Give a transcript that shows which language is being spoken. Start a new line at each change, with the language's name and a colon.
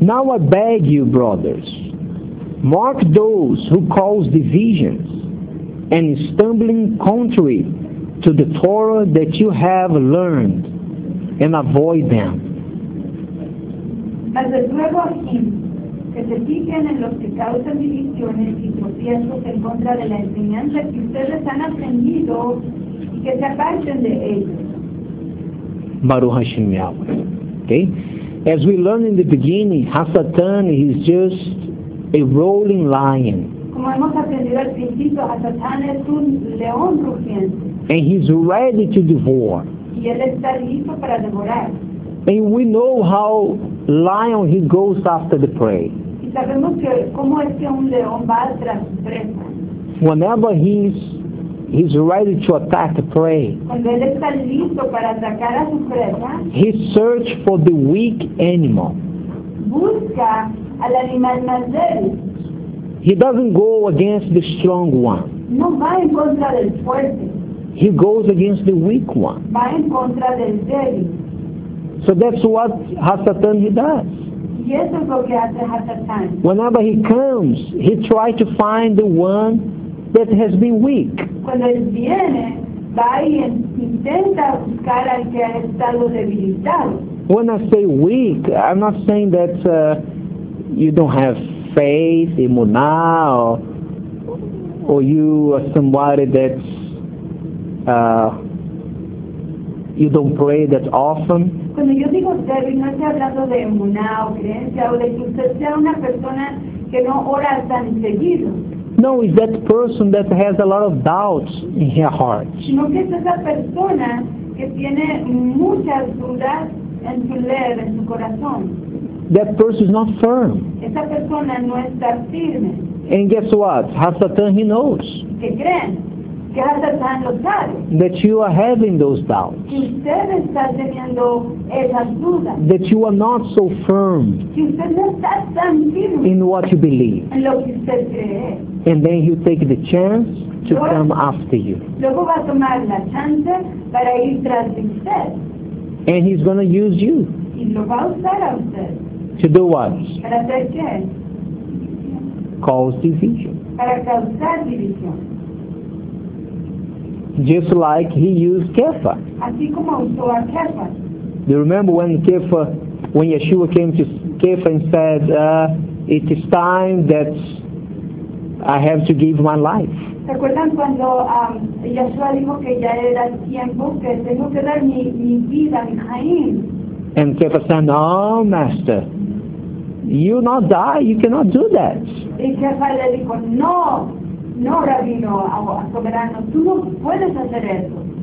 English: Now I beg you, brothers, mark those who cause divisions and stumbling contrary to the Torah that you have learned, and avoid them.
Spanish: Mas de nuevo aquí, que se fijen en los que causan divisiones y tropiezos en contra de la enseñanza que ustedes han aprendido y que se aparten de ellos.
Hebrew: Baruch Hashem Yahweh.
English: Okay? As we learned in the beginning, Hasatan is just a roaring lion.
Spanish: Como hemos aprendido al principio, Hasatan es un león rugiente.
English: And he's ready to devour.
Spanish: Y él está listo para devorar.
English: And we know how lion he goes after the prey.
Spanish: Y sabemos que cómo es que un león va tras presa.
English: Whenever he's ready to attack the prey.
Spanish: Cuando él está listo para atacar a su presa,
English: he searches for the weak animal.
Spanish: Busca al animal más débil.
English: He doesn't go against the strong one.
Spanish: No va en contra del fuerte.
English: He goes against the weak one.
Spanish: Va en contra del débil.
English: So that's what Hasatan he does.
Spanish: Y eso es lo que hace Hasatan.
English: Whenever he comes, he tries to find the one that has been weak.
Spanish: Cuando él viene, va y intenta buscar al que ha estado debilitado.
English: When I say weak, I'm not saying that you don't have faith, emuná, or you are somebody that's you don't pray that often.
Spanish: Cuando yo digo débil, no estoy hablando de emuná o creencia o de que usted sea una persona que no ora tan seguido.
English: No, it's that person that has a lot of doubts in her heart.
Spanish: Sino que es esa persona que tiene muchas dudas en su ser, en su corazón.
English: That person is not firm.
Spanish: Esa persona no está firme.
English: And guess what? Hasatan, he knows.
Spanish: ¿Qué creen? Que Hasatan lo sabe.
English: That you are having those doubts.
Spanish: Que usted está teniendo esas dudas.
English: That you are not so firm.
Spanish: Que usted no está tan firme.
English: In what you believe.
Spanish: En lo que usted cree.
English: And then he'll take the chance to
Spanish: luego,
English: come after you.
Spanish: Luego va a tomar la chance para ir tras de usted.
English: And he's going to use you.
Spanish: Y lo va a usar a usted.
English: To do what?
Spanish: Para hacer qué?
English: Cause division.
Spanish: Para causar división.
English: Just like he used Kepha.
Spanish: Así como usó a Kepha.
English: You remember when Kepha, when Yeshua came to Kepha and said, it is time that I have to give my life.
Spanish: ¿Se acuerdan cuando Yeshua dijo que ya era tiempo, que tengo que dar mi vida, mi jaim?
English: And Kepha said, no, master, you not die, you cannot do that.
Spanish: Y Kepha le dijo, no, no, rabino, soberano, tú no puedes hacer eso.